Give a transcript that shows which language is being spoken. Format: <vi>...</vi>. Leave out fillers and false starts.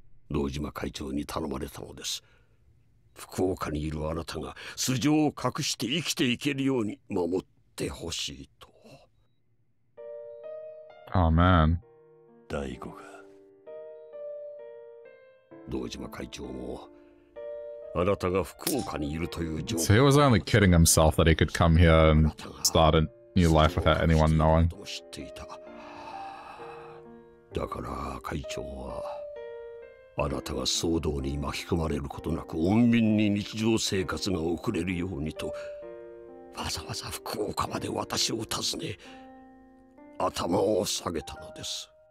<ja>堂島会長に頼まれたのです福岡にいるあなたが素性を隠して生きていけるように守ってほしいと</ja> <en>Oh man</en> <ja>大吾が堂島会長もあなたが福岡にいるという情</ja> <en>報 So he was only kidding himself that he could come here and start a new life without anyone knowing</en> <ja>知っていた。だから会長はあなたが騒動に巻き込まれることなく穏便に日常生活が送れるようにとわざわざ福岡まで私を訪ね頭を下げたのです</ja>